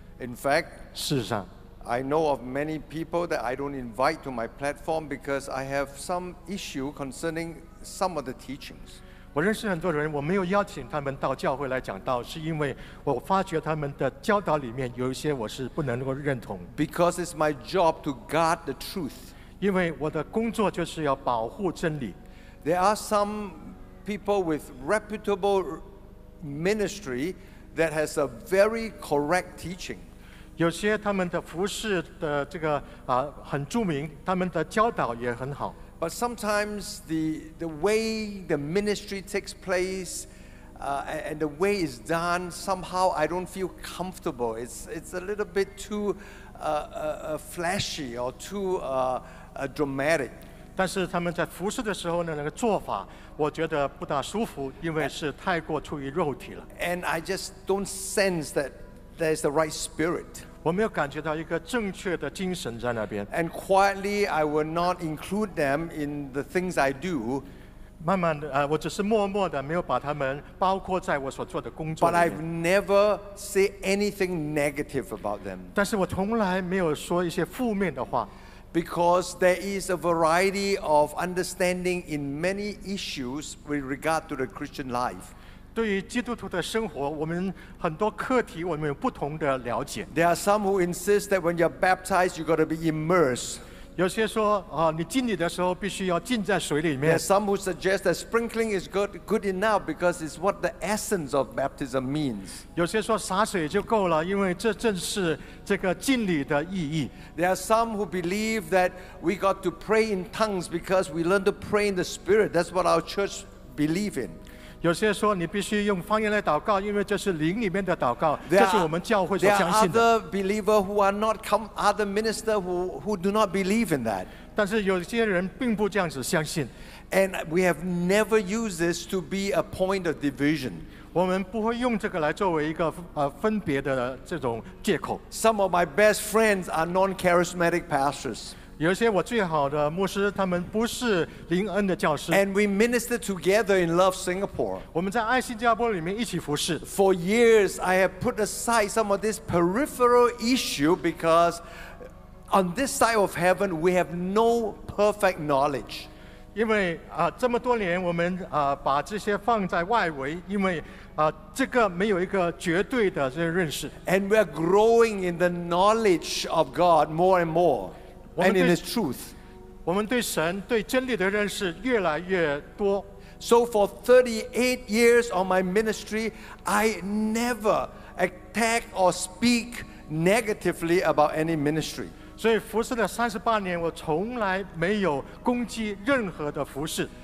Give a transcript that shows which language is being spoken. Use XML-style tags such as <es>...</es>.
<en>In fact,</en> <zh>事实上，</zh> <en>I know of many people that I don't invite to my platform because I have some issue concerning some of the teachings.</en> <zh>我认识很多人，我没有邀请他们到教会来讲道，是因为我发觉他们的教导里面有一些我是不能够认同。</zh> <en>Because it's my job to guard the truth.</en> <zh>因为我的工作就是要保护真理。</zh> <en>There are some people with reputable ministry that has a very correct teaching.</en> <zh>有些他们的服事的这个很著名，他们的教导也很好。</zh> <en>But sometimes the way the ministry takes place, and the way it's done, somehow I don't feel comfortable. It's a little bit too flashy or too dramatic.</en> <zh>但是他们在服事的时候呢，那个做法，我觉得不大舒服，因为是太过出于肉体了。</zh> <en>And I just don't sense that there's the right spirit.</en> <zh>我没有感觉到一个正确的精神在那边。</zh> <en>And quietly, I will not include them in the things I do.</en> <zh>慢慢的，我只是默默的，没有把他们包括在我所做的工作里面。</zh> <en>But I've never said anything negative about them.</en> <zh>但是我从来没有说一些负面的话。</zh> <en>Because there is a variety of understanding in many issues with regard to the Christian life.</en> <zh>对于基督徒的生活，我们很多课题我们有不同的了解。</zh> <en>There are some who insist that when you're baptized, you've got to be immersed.</en> <zh>有些说你浸礼的时候必须要浸在水里面。</zh> <en>There are some who suggest that sprinkling is good enough because it's what the essence of baptism means.</en> <zh>有些说洒水就够了，因为这正是这个浸礼的意义。</zh> <en>There are some who believe that we got to pray in tongues because we learn to pray in the Spirit. That's what our church believe in.</en> <zh>有些说你必须用方言来祷告，因为这是灵里面的祷告，这是我们教会所相信的。</zh> <en>There are other believers who are not come other ministers who do not believe in that.</en> <zh>但是有些人并不这样子相信。</zh> <en>And we have never used this to be a point of division.</en> <zh>我们不会用这个来作为一个分别的这种借口。</zh> <en>Some of my best friends are non-charismatic pastors.</en> <zh>有些我最好的牧师，他们不是灵恩的教师。</zh> <en>And we minister together in Love Singapore.</en> <zh>我们在爱新加坡里面一起服事。</zh> <en>For years, I have put aside some of this peripheral issue because on this side of heaven, we have no perfect knowledge.</en> <zh>因为这么多年我们把这些放在外围，因为这个没有一个绝对的这个认识。</zh> <en>And we are growing in the knowledge of God more and more. And in His truth.</en> <zh>我们对神对真理的认识越来越多。</zh> <en>So for 38 years of my ministry, I never attack or speak negatively about any ministry.</en> <zh>所以服事了38年，我从来没有攻击任何的服事。</zh>